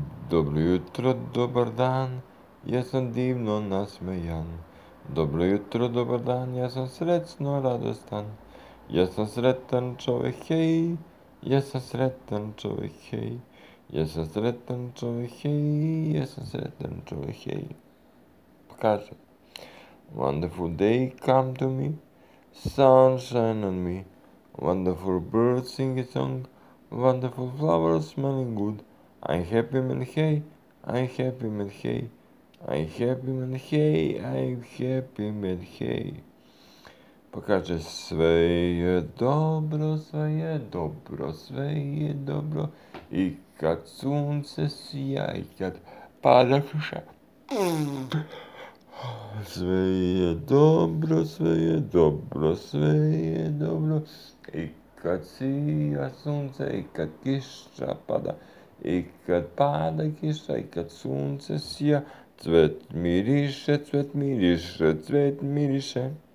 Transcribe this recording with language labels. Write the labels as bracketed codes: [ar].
[sr] Dobro jutro, dobar dan, ja sam divno nasmejan. Dobro jutro, dobar dan, ja sam srećno radostan. Ja sam sretan čovek, hej, ja sam sretan čovek, hej. Ja sam sretan čovek, hej, ja sam sretan čovek, hej. Pa kaže, [en] wonderful day come to me, sunshine on me, wonderful birds sing a song, wonderful flowers smelling good, I'm happy man, hey, I'm happy man, hey, I'm happy man, hey, I'm happy man, hey. [sr] Pa kaže, sve je dobro, sve je dobro, sve je dobro, i kad sunce sija, i kad pada kiša. Sve je dobro, sve je dobro, sve je dobro, i kad sija sunce, i kad kiša pada, i kad pada kiša, i kad sunce sija, cvet miriše, cvet miriše, cvet miriše.